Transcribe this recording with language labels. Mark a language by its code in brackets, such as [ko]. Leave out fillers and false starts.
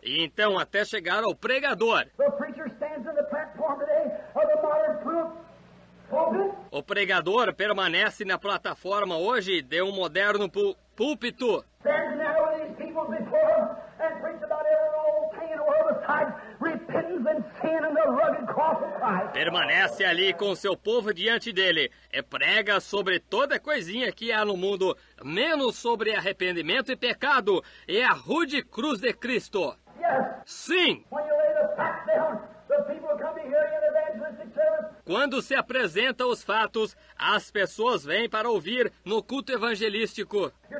[pt] E então até chegar ao pregador. [en] The preacher stands on the platform today of the modern pulpit. [pt] O pregador permanece na plataforma hoje de um moderno púlpito. [en] Standing there with these people before him and preach about every old thing in the world besides repentance and sin and the rugged cross of Christ. [pt] Permanece ali com seu povo diante dele e prega sobre toda coisinha que há no mundo, menos sobre arrependimento e pecado e a rude cruz de Cristo. [en] Yes. [pt] Sim. [en] When you lay the facts down, the people come to hear you in evangelistic service. [pt] Quando se apresentam os fatos, as pessoas vêm para ouvir no culto evangelístico.